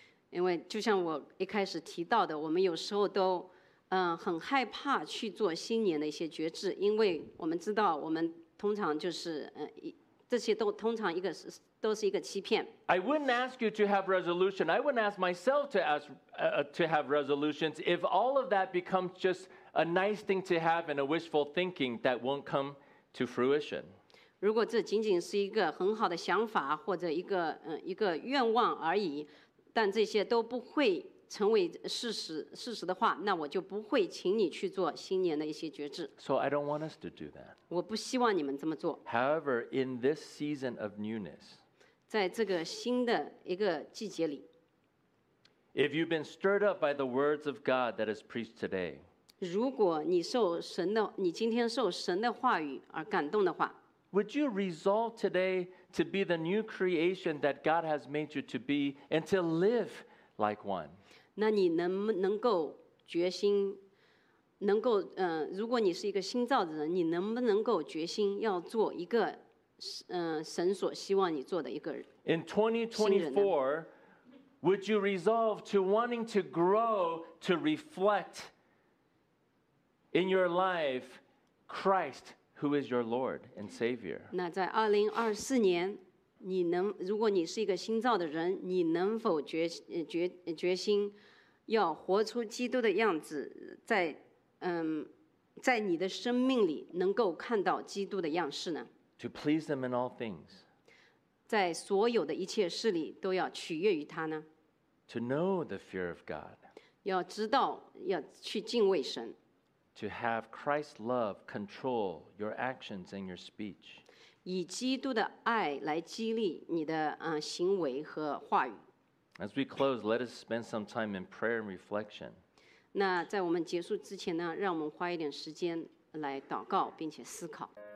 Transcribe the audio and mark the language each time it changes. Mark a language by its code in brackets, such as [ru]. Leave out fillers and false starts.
[zh] 因为就像我一开始提到的，我们有时候都很害怕去做新年的一些决志，因为我们知道我们通常就是这些都通常一个都是一个欺骗。 [en] I wouldn't ask you to have resolution. I wouldn't ask myself to have resolutions if all of that becomes just a nice thing to have and a wishful thinking that won't come. To fruition. [zh] 如果这仅仅是一个很好的想法或者一个愿望而已，但这些都不会成为事实的话，那我就不会请你去做新年的一些决志。 [en] So I don't want us to do that. [zh] 我不希望你们这么做。 [en] However, in this season of newness, [zh] 在这个新的一个季节里 [en] ，If you've been stirred up by the words of God that is preached today. [zh] 如果你受神的，你今天受神的话语而感动的话 [en] ，Would you resolve today to be the new creation that God has made you to be and to live like one？ [zh] 那你能够决心，能够如果你是一个新造的人，你能不能够决心要做一个神所希望你做的一个人 [en] ？In 2024, would you resolve to wanting to grow to reflect？In your life, Christ, Who is your Lord and Savior? [zh] 那在2024年，你能，如果你是一个新造的人，你能否决心要活出基督的样子，在在你的生命里能够看到基督的样式呢？ [en] To please them in all things. [zh] 在所有的一切事里都要取悦于他呢？ [en] To know the fear of God. [zh] 要知道，要去敬畏神。 [en] To have Christ's love control your actions and your speech. [zh] 以基督的爱来激励你的行为和话语。 [en] As we close, let us spend some time in prayer and reflection. [zh] 那在我们结束之前呢，让我们花一点时间来祷告并且思考。